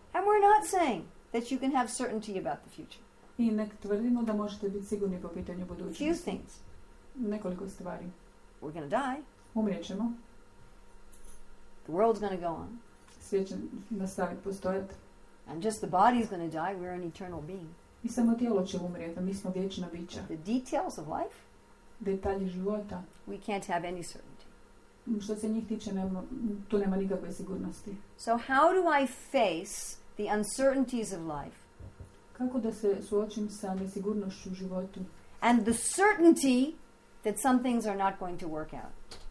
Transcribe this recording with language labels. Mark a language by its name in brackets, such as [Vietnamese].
[English] And we're not saying that you can have certainty about the future. [Croatian] I ne tvrdimo da možete biti sigurni po pitanju budućnosti. [English] Few things. [Croatian] Nekoliko stvari. [English] We're going to die. [Croatian] Umrijet ćemo. [English] The world's going to go on. [Croatian] Svijet će nastaviti postojati. [English] And just the body's going to die. We're an eternal being. [Croatian] I samo tijelo će umrijeti, a mi smo vječna bića. [English] The details of life? [Croatian] Detalji života. [English] We can't have any certainty. [Croatian] Što se njih tiče, tu nema nikakve sigurnosti. [English] So how do I face the uncertainties of life? [Croatian] Kako da se suočim sa nesigurnošću u životu? [English] And the certainty that some things are not going to work out.